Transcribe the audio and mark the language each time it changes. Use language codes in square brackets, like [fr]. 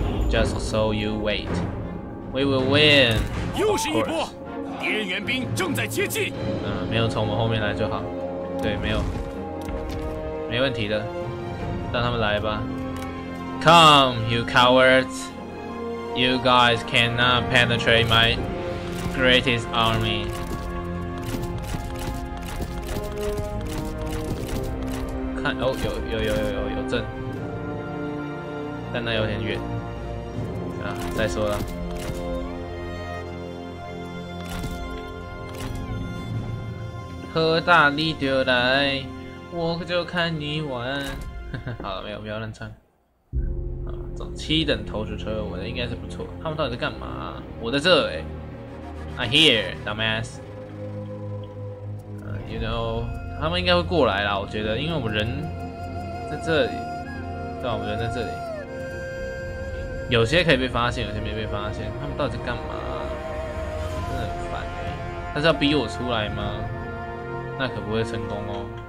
[en] Just so you wait, we will win. [zh] 又是一波，敌人援兵正在接近。没有从我们后面来就好。对，没有，没问题的，让他们来吧。 [en] Come, you cowards! You guys cannot penetrate my greatest army. [zh] 看。哦，有正，但那有点远啊，再说了。喝大力就来，我就看你玩。好了，没有，不要乱唱。啊，走七等投石车，我的应该是不错。他们到底在干嘛？我在这哎、欸、， [en] I'm here, dumbass。 [zh] You know， 他们应该会过来啦，我觉得，因为我们人在这里，对吧？我们人在这里，有些可以被发现，有些没被发现。他们到底在干嘛？真的很烦哎、欸。他是要逼我出来吗？那可不会成功哦。